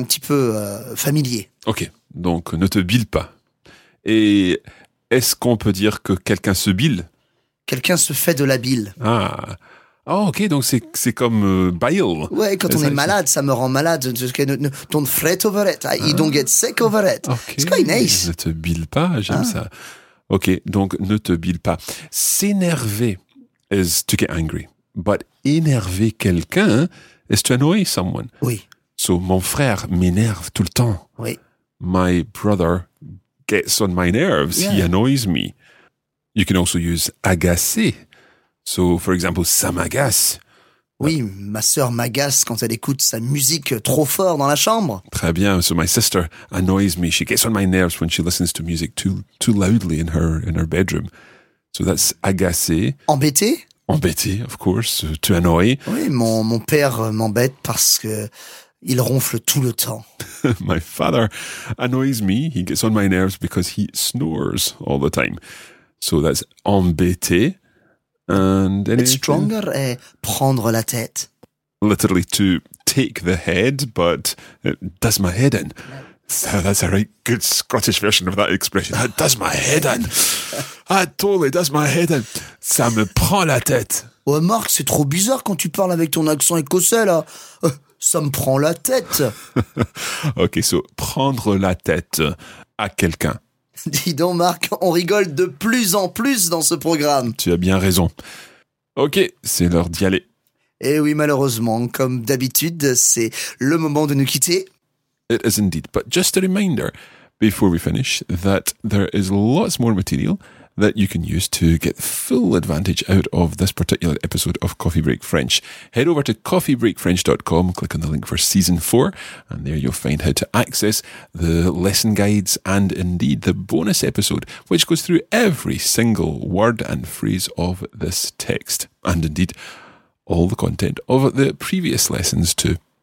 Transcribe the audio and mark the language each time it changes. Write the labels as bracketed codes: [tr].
[fr] C'est un petit peu familier. Ok, donc ne te bile pas. Et est-ce qu'on peut dire que quelqu'un se bile? Quelqu'un se fait de la bile. Ah, oh, ok, donc c'est comme bile. Ouais, quand on est malade, ça me rend malade. [en] Don't fret over it. You don't get sick over it. Okay. It's quite nice. [fr] Ne te bile pas, j'aime ça. Ok, donc ne te bile pas. [en] S'énerver is to get angry. But [fr] énerver quelqu'un... [en] is to annoy someone. [fr] Oui. So, mon frère m'énerve tout le temps. Oui. [en] My brother gets on my nerves. Yeah. He annoys me. You can also use agacer. So, for example, [fr] ça m'agace. Oui, ma sœur m'agace quand elle écoute sa musique trop fort dans la chambre. Très bien. [en] So, my sister annoys me. She gets on my nerves when she listens to music too loudly in her bedroom. So, that's agacer. [fr] Embêter. [en] Embêter, of course, to annoy. [fr] Oui, mon père m'embête parce que il ronfle tout le temps. [en] My father annoys me. He gets on my nerves because he snores all the time. So that's embêter. And it's stronger [fr] est prendre la tête. [en] Literally to take the head, but it does my head in. So that's a right good Scottish version of that expression. That does my head in. That totally does my head in. [fr] Ça me prend la tête. Ouais, Marc, c'est trop bizarre quand tu parles avec ton accent écossais, là. Ça me prend la tête. OK, so, prendre la tête à quelqu'un. Dis donc, Marc, on rigole de plus en plus dans ce programme. Tu as bien raison. OK, c'est l'heure d'y aller. Et oui, malheureusement, comme d'habitude, c'est le moment de nous quitter. [en] It is indeed. But just a reminder, before we finish, that there is lots more material that you can use to get full advantage out of this particular episode of Coffee Break French. Head over to coffeebreakfrench.com, click on the link for season 4, and there you'll find how to access the lesson guides and indeed the bonus episode, which goes through every single word and phrase of this text, and indeed all the content of the previous lessons too.